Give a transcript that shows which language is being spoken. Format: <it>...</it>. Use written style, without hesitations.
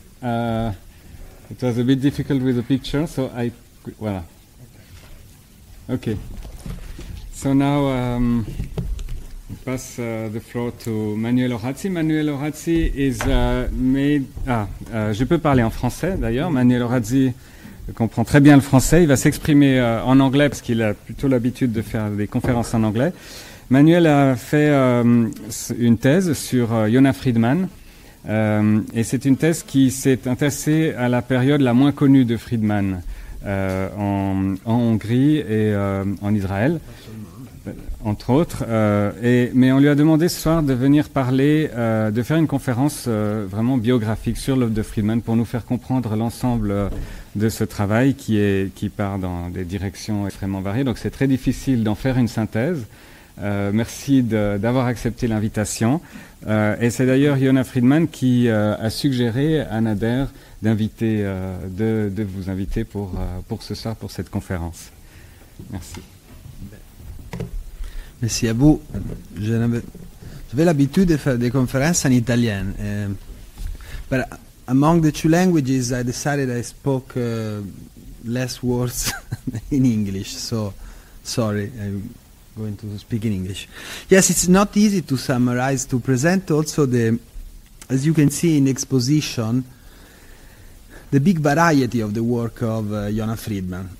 <en>It was a bit difficult with the picture, so I...</en> <fr>Voilà.</fr> <en>Okay. So now I pass the floor to Manuel Orazi.</en> <fr>Manuel Orazi</fr> <en>is made...</en> <fr>je peux parler en français, d'ailleurs. Manuel Orazi comprend très bien le français. Il va s'exprimer en anglais, parce qu'il a plutôt l'habitude de faire des conférences en anglais. Manuel a fait une thèse sur Yona Friedman. Et c'est une thèse qui s'est intéressée à la période la moins connue de Friedman en Hongrie et en Israël, entre autres. Mais on lui a demandé ce soir de venir parler, de faire une conférence vraiment biographique sur l'œuvre de Friedman pour nous faire comprendre l'ensemble de ce travail qui part dans des directions extrêmement variées. Donc c'est très difficile d'en faire une synthèse. Merci d'avoir accepté l'invitation. Et c'est d'ailleurs Yona Friedman qui a suggéré à Nader d'inviter, de vous inviter pour ce soir, pour cette conférence. Merci. Merci à vous. J'avais l'habitude de faire des conférences en italien.</fr> <en>But among the two languages, I decided I spoke less words in English. So, sorry. Going to speak in English. Yes, it's not easy to summarize, to present also the, as you can see in exposition, the big variety of the work of Yona Friedman.</en>